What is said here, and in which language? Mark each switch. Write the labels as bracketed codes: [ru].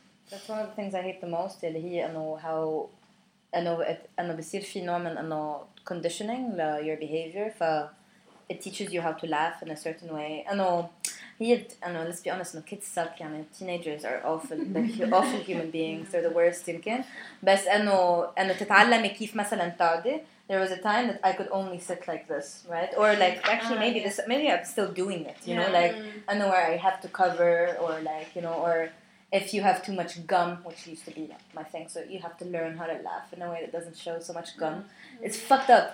[en] That's one of the things I hate the most, [ar] اللي هي أنه [en] how... [ar] أنه بصير في نوع من أنه [en] conditioning your behavior, ف it teaches you how to laugh in a certain way. I know, let's be honest, kids suck, يعني, teenagers are awful, they're awful human beings, they're the worst, يمكن. [ar] بس أنه تتعلمي كيف مثلاً تقعدي. [en] There was a time that I could only sit like this, right? Or like, actually, maybe I'm still doing it, you know? Like, I know where I have to cover, or like, you know, or if you have too much gum, which used to be my thing, so you have to learn how to laugh in a way that doesn't show so much gum. Mm-hmm. It's fucked up.